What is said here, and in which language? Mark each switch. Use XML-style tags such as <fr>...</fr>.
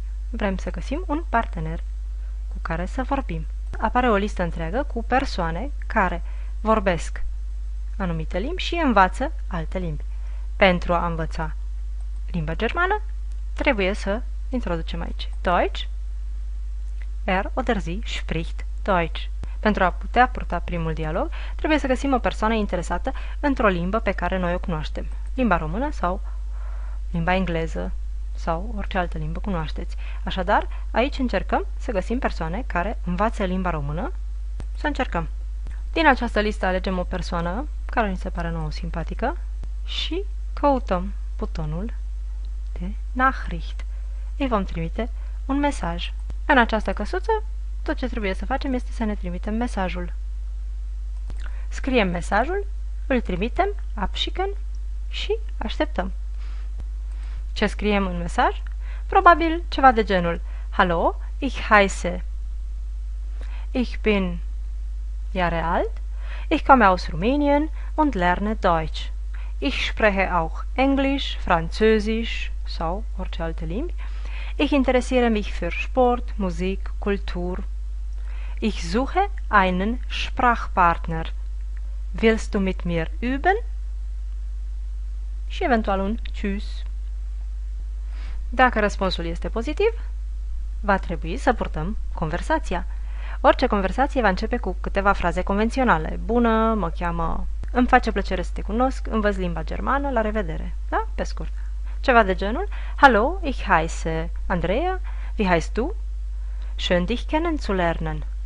<ro>Vrem să găsim un partener cu care să vorbim. Apare o listă întreagă cu persoane care vorbesc anumite limbi și învață alte limbi. Pentru a învăța limba germană, trebuie să introducem aici Deutsch.</ro> <de>Er oder sie spricht Deutsch.</de> <ro>Pentru a putea purta primul dialog, trebuie să găsim o persoană interesată într-o limbă pe care noi o cunoaștem. Limba română sau limba engleză sau orice altă limbă cunoașteți. Așadar, aici încercăm să găsim persoane care învață limba română. Să încercăm. Din această listă alegem o persoană care ni se pare nouă simpatică și căutăm butonul de Nachricht. Îi vom trimite un mesaj. În această căsuță, tot ce trebuie să facem este să ne trimitem mesajul. Scriem mesajul, îl trimitem, abschicken și așteptăm. Ce scriem în mesaj? Probabil ceva de genul:</ro> <de>Hallo, ich heiße, ich bin,</de> <ro>iar alt,</ro> <de>ich komme aus Rumänien und lerne Deutsch. Ich spreche auch Englisch, Französisch</de> <ro>sau orice alte limbi.</ro> <de>Ich interessiere mich für Sport, Musik, Kultur. Ich suche einen Sprachpartner. Willst du mit mir üben?</de> <ro>Și eventual un</ro> <de>tschüss.</de> <ro>Dacă răspunsul este pozitiv, va trebui să purtăm conversația. Orice conversație va începe cu câteva fraze convenționale. Bună, mă cheamă, îmi face plăcere să te cunosc, învăț limba germană, la revedere. Da? Pe scurt. Ceva de genul:</ro> <de>Hallo, ich heiße Andrea, wie heißt du? Schön dich kennenzulernen.</de>